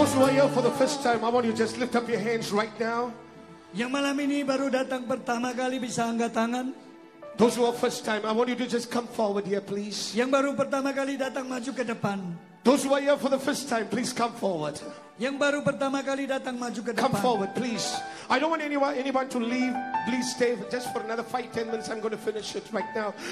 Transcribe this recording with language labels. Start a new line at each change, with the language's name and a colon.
English: here for the first time, I want you to just lift up your hands right now.
Indonesian: Yang malam ini baru datang pertama kali bisa angkat tangan.
English: Those who are first time, I want you to just come forward here, please.
Indonesian: Yang baru pertama kali datang maju ke depan.
English: Those who are here for the first time, please come forward.
Indonesian: Yang baru pertama kali datang maju ke depan.
English: Come forward, please. I don't want anyone to leave. Please stay just for another 5-10 minutes. I'm going to finish it right now.